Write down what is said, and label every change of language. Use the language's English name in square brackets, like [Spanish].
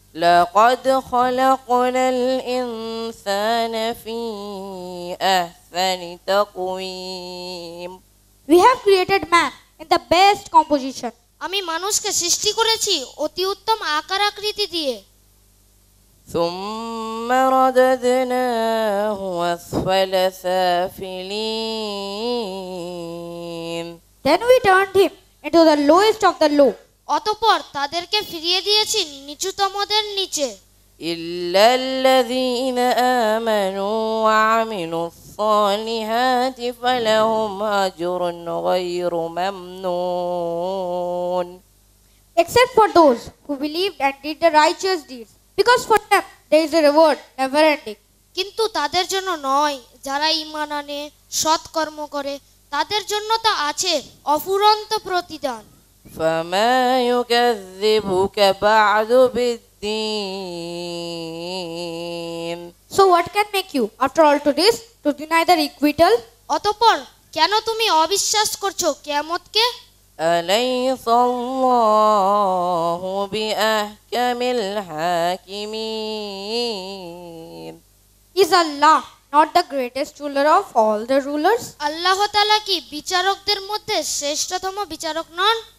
[Arabic] لقد خلقنا الإنسان في أحسن تقويم. [English] We have created man in the best composition. [Bangla] আমি মানুষকে সৃষ্টি করেছি অতি উত্তম আকার আকৃতি দিয়ে। [Arabic] ثم رددناه أسفل سافلين. [English] Then we turned him into the lowest of the low. [Bangla] অতঃপর তাদেরকে ফিরিয়ে দিয়েছি নিচুতমদের নিচে। [English] Except for those who believed and did the righteous deeds, because for them there is a reward never ending. [Bangla] কিন্তু তাদের জন্য নয় যারা ঈমান আনে সৎ কর্ম করে, তাদের জন্য তো আছে অফুরন্ত প্রতিদান। [Arabic] فما يكذبك بعد بالدين. [English] So what can make you, after all to this, to deny the requital? [Bangla] অতঃপর কেন তুমি অবিশ্বাস করছো কিয়ামতকে? [Arabic] أليس الله بأحكم الحاكمين. [English] Is Allah not the greatest ruler of all the rulers? [Bangla] আল্লাহ তাআলা কি বিচারকদের মধ্যে শ্রেষ্ঠতম বিচারক নন?